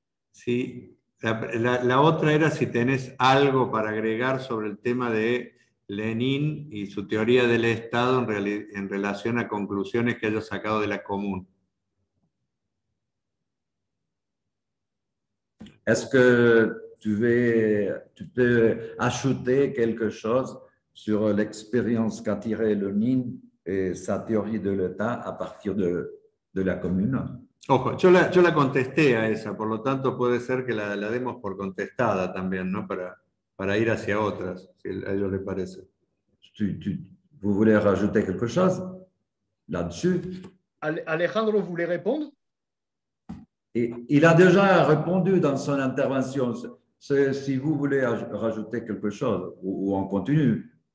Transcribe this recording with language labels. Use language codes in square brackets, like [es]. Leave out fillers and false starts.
[es] Sí. La otra era si tenés algo para agregar sobre el tema de Lenin y su teoría del Estado en relación a conclusiones que haya sacado de la Comuna. ¿Es que tú puedes [fr] ajouter quelque chose sur l'expérience qu'a tiré Lenin et sa théorie de l'État [es] a partir de la Comuna? Ojo, yo la contesté a esa, por lo tanto puede ser que la demos por contestada también, ¿no? Para ir hacia otras, si a ellos les parece. [fr] ¿Vos voulez rajouter quelque chose là-dessus? Alejandro, ¿vous voulez répondre? Il a déjà répondu dans son intervention. Si vous voulez rajouter quelque chose, ou on continue.